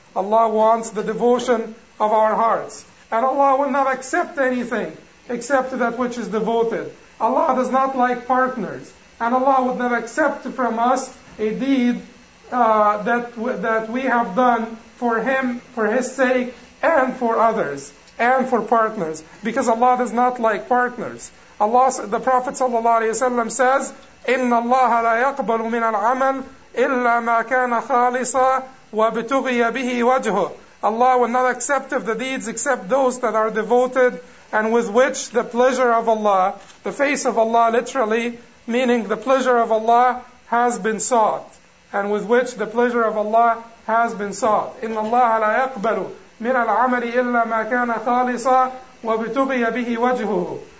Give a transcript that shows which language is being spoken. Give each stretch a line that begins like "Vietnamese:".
English: Allah wants the devotion of our hearts. And Allah will not accept anything except that which is devoted. Allah does not like partners. And Allah would not accept from us a deed that we have done for Him, for His sake, and for others, and for partners. Because Allah does not like partners. Allah, the Prophet ﷺ says,
Arabic: إِنَّ اللَّهَ لَا يَقْبَلُ مِنَ الْعَمَلِ إِلَّا مَا كَانَ خَالِصًا وَبِتُغِيَ بِهِ وَجْهُ.
English: Allah will not accept of the deeds except those that are devoted and with which the pleasure of Allah, the face of Allah literally, meaning the pleasure of Allah has been sought. And with which the pleasure of Allah has been sought.
Arabic: إِنَّ اللَّهَ لَا يَقْبَلُ مِنَ الْعَمَلِ إِلَّا مَا كَانَ خَالِصًا وَبِتُغِيَ بِهِ وَجْهُهُ.